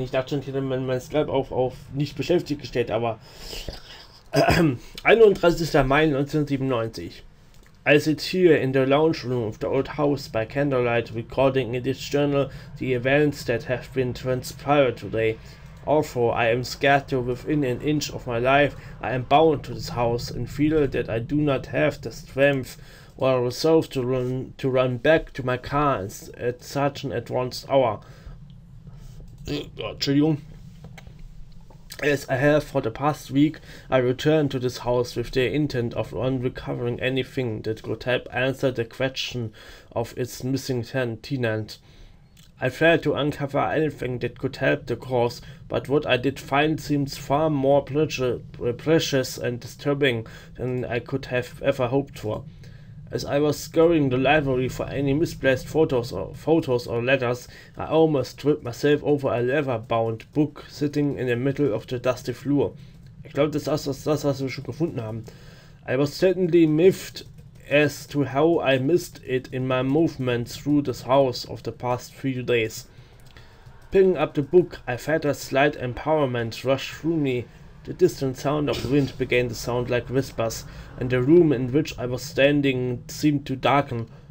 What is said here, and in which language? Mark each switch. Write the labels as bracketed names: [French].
[German] Ich dachte schon, ich hätte mein Skype auf nicht beschäftigt gestellt, aber. 31. Mai 1997. [English] I sit here in the lounge room of the old house by candlelight, recording in this journal the events that have been transpired today. Also, I am scared to within an inch of my life. I am bound to this house and feel that I do not have the strength or resolve to run back to my car at such an advanced hour. Entschuldigung. As I have for the past week, I return to this house with the intent of uncovering anything that could help answer the question of its missing tenant. I failed to uncover anything that could help the cause, but what I did find seems far more precious and disturbing than I could have ever hoped for. As I was scouring the library for any misplaced photos or letters, I almost tripped myself over a leather-bound book sitting in the middle of the dusty floor. [German] Ich glaube, das ist das, was wir schon gefunden haben. [English] I was certainly miffed as to how I missed it in my movement through this house of the past few days. Picking up the book, I felt a slight empowerment rush through me. The distant sound of wind began to sound like whispers, and the room in which I was standing seemed to darken.